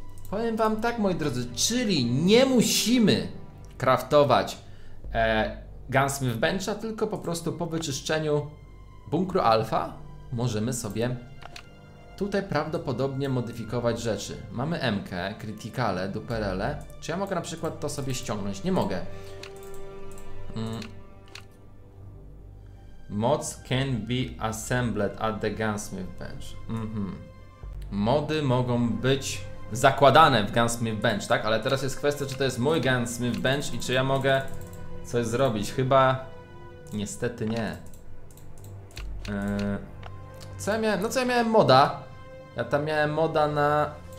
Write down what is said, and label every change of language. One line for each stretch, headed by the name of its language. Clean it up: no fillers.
Polish: Powiem wam tak, moi drodzy, czyli nie musimy craftować Gunsmith Bench'a, tylko po prostu po wyczyszczeniu bunkru Alfa możemy sobie tutaj prawdopodobnie modyfikować rzeczy. Mamy M-kę, criticale, duperele. Czy ja mogę na przykład to sobie ściągnąć? Nie mogę.
English: Mods can be assembled at the Gunsmith Bench.
Polish: Mody mogą być zakładane w Gunsmith Bench, tak? Ale teraz jest kwestia, czy to jest mój Gunsmith Bench i czy ja mogę coś zrobić. Chyba niestety nie. Co ja miałem moda? Ja tam miałem moda na...